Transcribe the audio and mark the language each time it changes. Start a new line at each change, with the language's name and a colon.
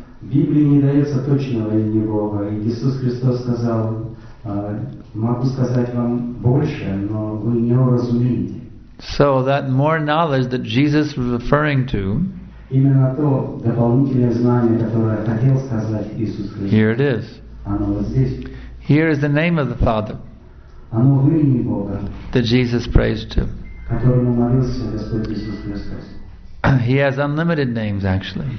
Russian: Библия не дается точного имени Бога. Иисус Христос сказал, могу сказать вам больше, но вы не уразумеете.
English: So that more knowledge that Jesus was referring to,
Russian: именно то дополнительное знание, которое хотел сказать Иисус Христос,
English: here it is.
Russian: Оно вот здесь.
English: Here is the name of the Father.
Russian: Оно в имени Бога,
English: that Jesus prays to.
Russian: Которому молился Господь Иисус Христос.
English: He has unlimited names, actually.